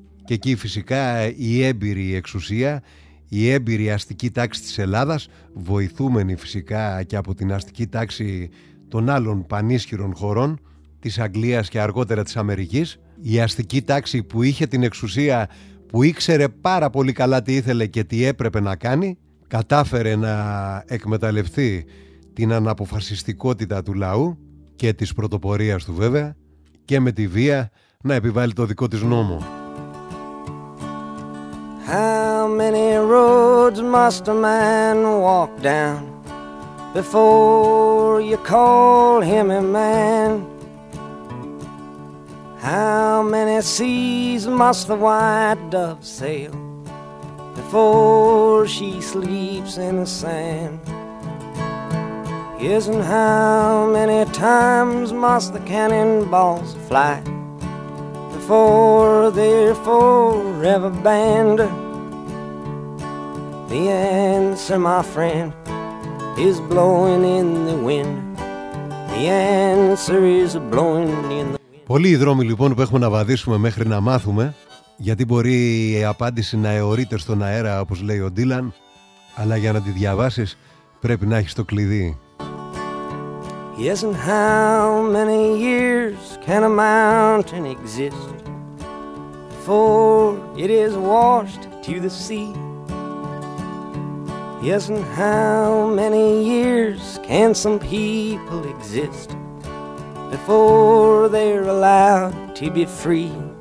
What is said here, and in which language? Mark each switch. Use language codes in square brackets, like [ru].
[el] Και εκεί φυσικά η έμπειρη εξουσία, η έμπειρη αστική τάξη της Ελλάδας, βοηθούμενη φυσικά και από την αστική τάξη των άλλων πανίσχυρων χωρών, της Αγγλίας και αργότερα της Αμερικής, η αστική τάξη που είχε την εξουσία, που ήξερε πάρα πολύ καλά τι ήθελε και τι έπρεπε να κάνει, κατάφερε να εκμεταλλευτεί την αναποφασιστικότητα του λαού και της πρωτοπορίας του βέβαια, και με τη βία να επιβάλλει το δικό της νόμο. [en] How many roads must a man walk down before you call him a man? How many seas must the white dove sail before she sleeps in the sand? Yes, and how many times must the cannonballs fly before they're forever banned? The answer, my friend, is blowing in the wind. The answer is blowing in the... [el] Πολλοί δρόμοι λοιπόν που έχουμε να βαδίσουμε μέχρι να μάθουμε, γιατί μπορεί η απάντηση να αιωρείται στον αέρα όπως λέει ο Ντίλαν, αλλά για να τη διαβάσεις πρέπει να έχεις το κλειδί. [en] Yes, and how many years can a mountain exist before it is washed to the sea? Yes, and how many years can some people exist before they're allowed to be free?